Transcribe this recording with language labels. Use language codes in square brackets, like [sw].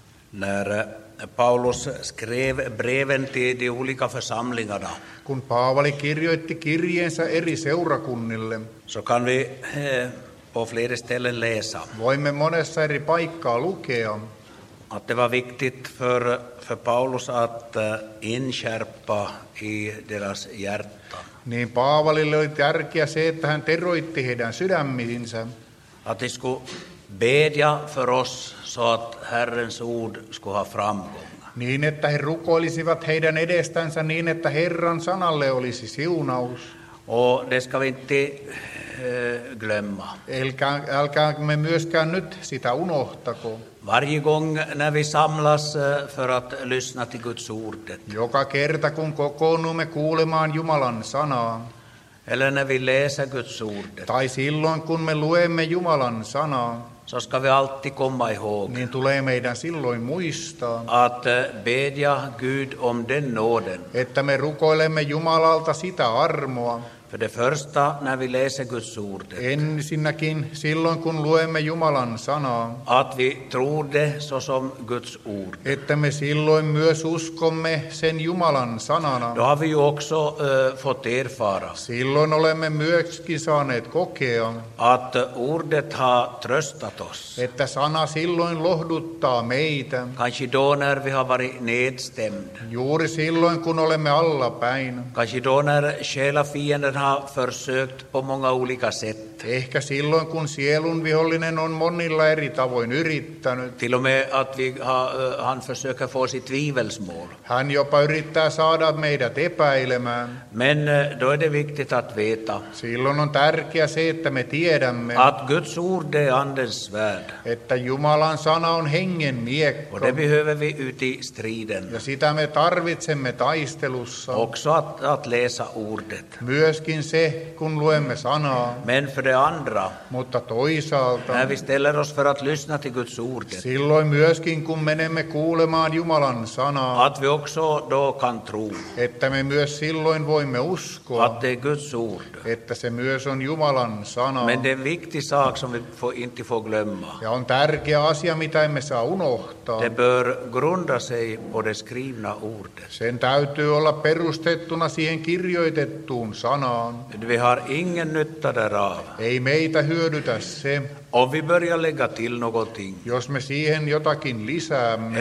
[sv] När Paulus skrev breven till de olika församlingarna. [fi] Kun Paavali kirjoitti kirjeensä eri seurakunnille, [sv] så kan vi på flera ställen läsa. [fi] Voimme monessa eri paikkaa lukea. [sv] Att det var viktigt för Paulus att inskärpa i deras hjärta. [fi] Niin Paavalille oli tärkeä se, että hän teroitti heidän sydämiinsä. [sv] Atisku bedja för oss så att Herrens ord ska ha framgång. [fi] Niin että he rukoilisivat heidän edestänsä niin että Herran sanalle olisi siunaus. [sv] Och det ska vi inte glömma. [fi] Älkäämme myöskään nyt sitä unohtako. [sv] Varje gång när vi samlas för att lyssna till Guds ordet. [fi] Joka kerta kun kokoonnumme kuulemaan Jumalan sanaa. [sv] Eller när vi läser Guds ordet. [fi] Tai silloin kun me luemme Jumalan sanaa. [sv] Så ska vi alltid komma ihåg. [fi] Niin tulee meidän silloin muistaa. [sv] Att bedja Gud om den nåden. [fi] Että me rukoilemme Jumalalta sitä armoa. [sv] För det första när vi läser Guds ordet. [fi] Ensinnäkin silloin kun luemme Jumalan sanaa. [sv] Att vi tror det så som Guds ord. [fi] Että me silloin myös uskomme sen Jumalan sanana. [sv] Då har vi ju också fått erfara. [fi] Silloin olemme myöskin saaneet kokea. [sv] Att ordet har tröstat oss. [fi] Että sana silloin lohduttaa meitä. [sv] Kanske då när vi har varit nedstämd. [fi] Juuri silloin kun olemme allapäin. [sv] Kanske då när själa fiender har försökt på många olika sätt. [fi] Ehkä silloin kun sielun vihollinen on monilla eri tavoin yrittänyt. [sv] Till och med att han försöker få sitt tvivelsmål. [fi] Hän jopa yrittää saada meidät epäilemään. [sv] Men då är det viktigt att veta. [fi] Silloin on tärkeä se, että me tiedämme. [sv] Att Guds ord är andens svärd. [fi] Että Jumalan sana on hengen miekko. [sv] Och det behöver vi uti striden. [fi] Ja sitä me tarvitsemme taistelussa. [sv] Också att läsa ordet. [fi] Myöskin se, kun luemme sanaa. [sv] Men för det andra. [fi] Mutta toisaalta. [sv] När vi ställer oss för att lyssna till Guds ordet. [fi] Silloin myöskin, kun menemme kuulemaan Jumalan sanaa. [sv] Att vi också då kan tro. [fi] Että me myös silloin voimme uskoa. [sv] Att det är Guds ord. [fi] Että se myös on Jumalan sana. [sv] Men det är en viktig sak som vi inte får glömma. [fi] Ja on tärkeä asia, mitä emme saa unohtaa. [sv] Det bör grunda sig på det skrivna ordet. [fi] Sen täytyy olla perustettuna siihen kirjoitettuun. Sanaan. [sv] Vi har ingen nytta därav. [fi] Ei meitä hyödytä se. [sv] Om vi börjar lägga till någonting. [fi] Jos me siihen jotakin lisäämme.